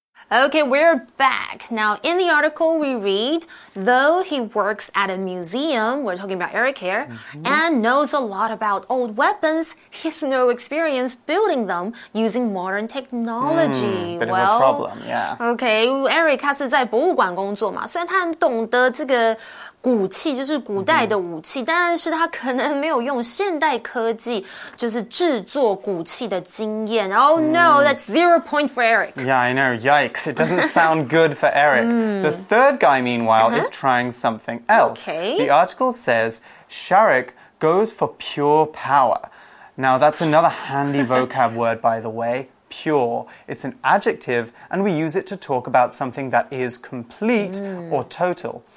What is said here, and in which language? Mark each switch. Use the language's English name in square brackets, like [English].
[English] Okay, we're back. Now, in the article we read, though he works at a museum, we're talking about Eric here, and knows a lot about old weapons, he has no experience building them using modern technology. Bit of a problem, yeah. [Chinese] Okay, Eric 他是在博物馆工作嘛，虽然他很懂得这个武器，就是古代的武器，但是他可能没有用现代科技就是制作武器的经验。 [English] No, that's 0 point for Eric. Yeah, I know. Yikes. It doesn't sound good for Eric. The third guy, meanwhile, is trying something else. Okay. The article says, Sharik goes for pure power. Now, that's another handy vocab word, by the way. Pure. It's an adjective, and we use it to talk about something that is complete or total.